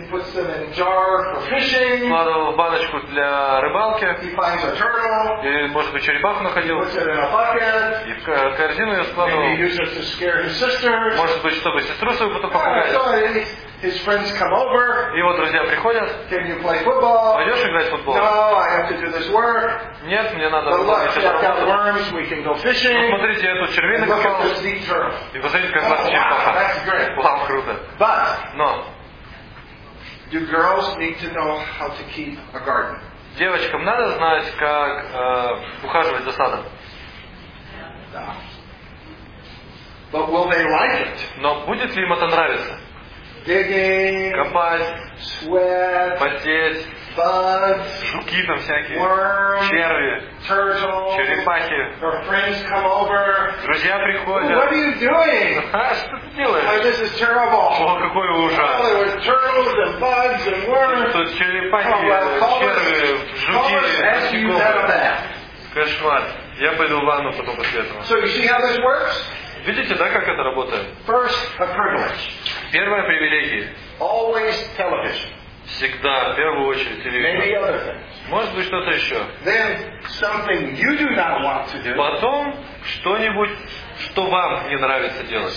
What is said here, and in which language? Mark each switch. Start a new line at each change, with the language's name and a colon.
English: He puts them in a jar for fishing.
Russian: Кладывал в баночку для рыбалки.
English: He finds a turtle.
Russian: И, может быть, черепаху находил.
English: He puts it in a bucket.
Russian: И в корзину ее складывал.
English: Maybe he uses it to scare his sisters.
Russian: Может быть, чтобы сестру свою потом попугать.
English: His friends come over.
Russian: Его друзья приходят.
English: Can you play football?
Russian: Пойдешь играть в футбол?
English: No, I have to do this work.
Russian: Нет, мне надо.
English: But look, I've got worms. We can go fishing.
Russian: Ну, смотрите, я тут червей накопал.
English: Look at this neat turtle.
Russian: И посмотрите, как классно.
English: Wow, that's great.
Russian: Вау, круто.
English: But.
Russian: Но.
English: Do girls need to know how to keep a garden?
Russian: Девочкам надо знать, как ухаживать за садом. Да.
English: But will they like it?
Russian: Но будет ли им это нравиться?
English: Digging,
Russian: копать,
English: sweat,
Russian: потеть,
English: bugs,
Russian: жуки там всякие,
English: worms,
Russian: черви,
English: turtle,
Russian: черепахи,
English: their friends come over.
Russian: Друзья приходят.
English: What are you doing?
Russian: Что ты делаешь?
English: Oh, this is terrible.
Russian: О, какой ужас.
English: Well, there were turtles and bugs and worms.
Russian: Тут черепахи, черви, жуки, кошмар. Я пойду в ванну потом после этого.
English: So you see how this works?
Russian: Видите, да, как это работает?
English: First, a privilege.
Russian: Первое привилегия.
English: Always television.
Russian: Всегда, в первую очередь, телевизор.
English: Maybe other things.
Russian: Может быть, что-то еще.
English: Then something you do not want to do.
Russian: Потом что-нибудь, что вам не нравится делать.